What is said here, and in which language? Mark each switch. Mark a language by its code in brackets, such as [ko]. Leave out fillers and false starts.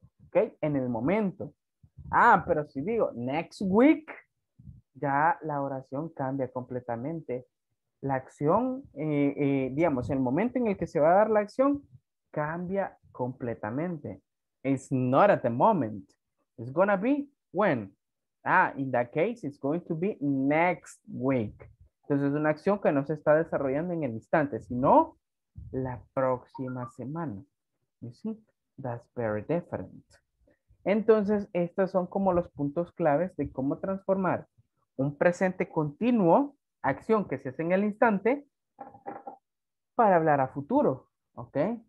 [es] Okay, en el momento. Ah, pero si digo next week, ya la oración cambia completamente. La acción, digamos, el momento en el que se va a dar la acción, cambia completamente. [en] It's not at the moment. It's gonna be when. Ah, in that case, it's going to be next week. [es] Entonces es una acción que no se está desarrollando en el instante, sino la próxima semana. [en] You see, that's very different. [es] Entonces, estos son como los puntos claves de cómo transformar un presente continuo, acción que se hace en el instante, para hablar a futuro, ¿ok?